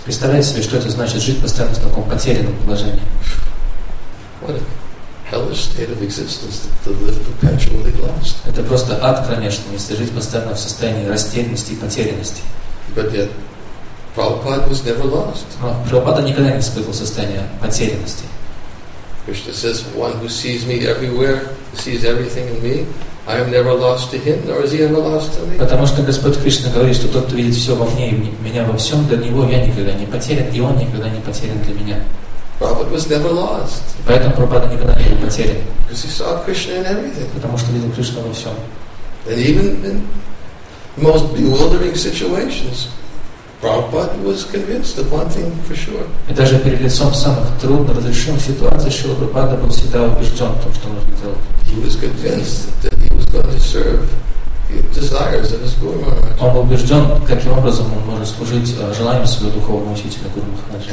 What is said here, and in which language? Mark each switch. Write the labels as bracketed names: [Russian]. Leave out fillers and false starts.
[Russian] Представляете себе, что это значит жить постоянно в таком потерянном положении? [English] What a hellish state of existence to live perpetually lost. [Russian] Это просто ад, конечно, если жить постоянно в состоянии растерянности и потерянности. [English] But yet, Prabhupada was never lost. [Russian] Но Прабхупада никогда не испытывал состояние потерянности. [English] Krishna says, one who sees me everywhere, sees everything in me, I am never lost to him, nor is he ever lost to me. [Russian] Потому что Господь Кришна говорит, что тот, кто видит все во мне и меня во всем, для него я никогда не потерян, и он никогда не потерян для меня. [English] Prabhupada was never lost. [Russian] Поэтому Прабхупада никогда не был потерян. [English] Because he saw Krishna in everything. [Russian] Потому что видел Кришну во всем. [English] And even in the most bewildering situations, Prabhupada was convinced of one thing for sure. [Russian] И даже перед лицом самых трудноразрешимых ситуаций Шрила Прабхупада был всегда убежден в том, что нужно делать. [English] He was convinced that he was going to serve the desires of his Guru Maharaj. [Russian] Он был убежден, каким образом он может служить желаниям своего духовного учителя Гуру Махараджа.